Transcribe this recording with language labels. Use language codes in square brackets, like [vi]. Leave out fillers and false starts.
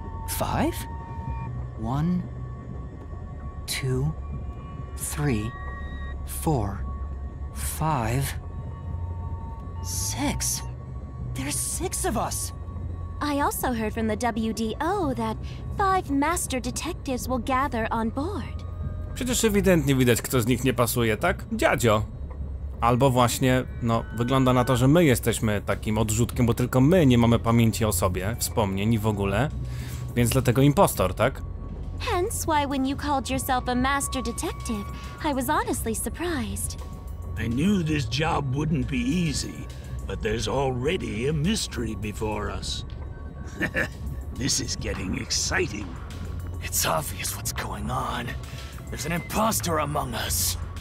[en] Five? One, two, three, four, five. Six? There's six of us! I also heard from the WDO that five master detectives will gather on board. [pl] Przecież ewidentnie widać, kto z nich nie pasuje, tak? Dziadzio! Albo właśnie, no, wygląda na to, że my jesteśmy takim odrzutkiem, bo tylko my nie mamy pamięci o sobie, wspomnień i w ogóle. Więc dlatego impostor, tak? [en] Hence why when you called yourself a master detective, I was honestly surprised. I knew this job wouldn't be easy, but there's already a mystery before us. This is getting exciting. It's obvious what's going on. There's an imposter among us.